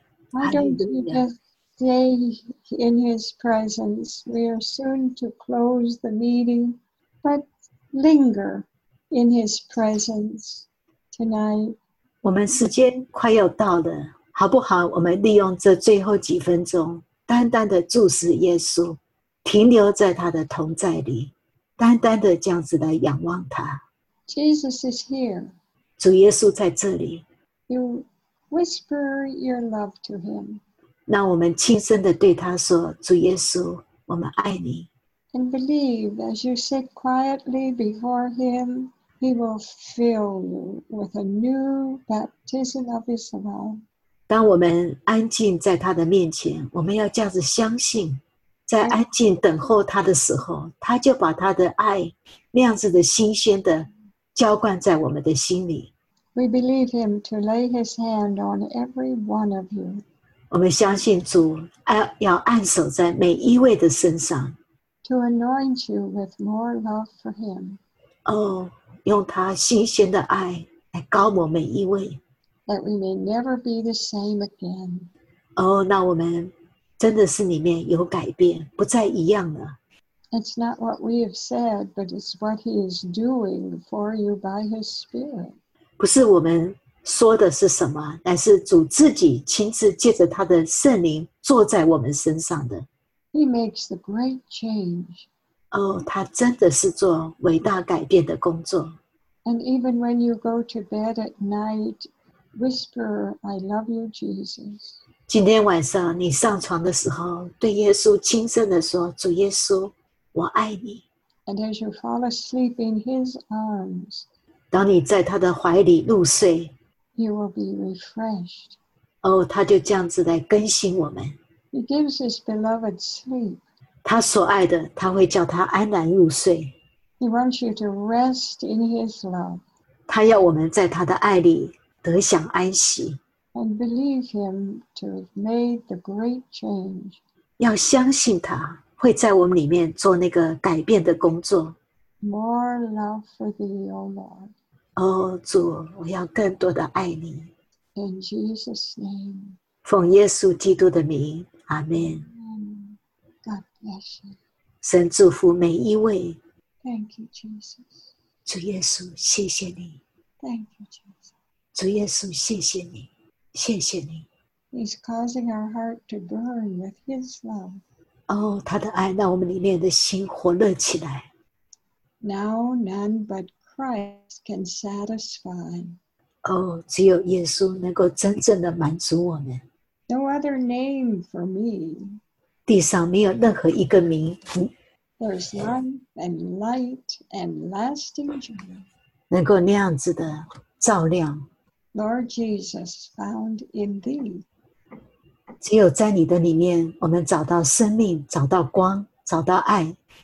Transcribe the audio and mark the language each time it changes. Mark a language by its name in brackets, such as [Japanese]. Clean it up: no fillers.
[English] Why don't we just stay in his presence? We are soon to close the meeting, but linger in his presence tonight. [Chinese] 我们时间快要到了，好不好？我们利用这最后几分钟，单单的注视耶稣，停留在他的同在里，单单的这样子来仰望他。 [English] Jesus is here. [Chinese] 主耶稣在这里。 [English] You. Whisper your love to him. [Chinese] 让我们轻声地对他说，主耶稣，我们爱你。 [English] And believe as you sit quietly before him, he will fill you with a new baptism of his love. [Chinese] 当我们安静在他的面前，我们要这样子相信，在安静等候他的时候，他就把他的爱那样子的新鲜的浇灌在我们的心里。 [English] We believe him to lay his hand on every one of you. [Chinese] 我们相信主要按手在每一位的身上。 [English] To anoint you with more love for him. [Chinese] 哦，用他新鲜的爱来膏抹每一位。 [English] That we may never be the same again. [Chinese] 哦，那我们真的是里面有改变，不再一样了。 [English] It's not what we have said, but it's what he is doing for you by his Spirit. [Chinese] 不是我们说的是什么，乃是主自己亲自借着他的圣灵坐在我们身上的。 [English] He makes the great change. [Chinese] 哦，他真的是做伟大改变的工作。 [English] And even when you go to bed at night, whisper, "I love you, Jesus." [Chinese] 今天晚上你上床的时候，对耶稣轻声地说：“主耶稣，我爱你。” [English] And as you fall asleep in His arms. [Chinese] 当你在他的怀里入睡 [English] ，You will be refreshed. [Chinese] 哦，他就这样子来更新我们。 [English] He gives his beloved sleep. [Chinese] 他所爱的，他会叫他安然入睡。 [English] He wants you to rest in his love. [Chinese] 他要我们在他的爱里得享安息。 [English] And believe him to have made the great change. [Chinese] 要相信他会在我们里面做那个改变的工作。 [English] More love for thee, O Lord. [Chinese] Oh, 主，我要更多的爱你。 [English] In Jesus' name. [Chinese] 奉耶稣基督的名， Amen. [English] God bless you. [Chinese] 神祝福每一位。 [English] Thank you, Jesus. [Chinese] 主耶稣，谢谢你。 [English] Thank you, Jesus. [Chinese] 主耶稣，谢谢你，谢谢你。 [English] He's causing our heart to burn with His love. [Chinese] Oh, 他的爱让我们里面的心火热起来。 [English] Now none but Christ can satisfy. [Chinese] Oh, 只有耶稣能够真正的满足我们。 [English] No other name for me. [Chinese] 地上没有任何一个名。 [English] There's none and light and lasting joy. [Chinese] 能够那样子的照亮。 [English] Lord Jesus found in thee. [Chinese] 只有在你的里面，我们找到生命，找到光，找到爱。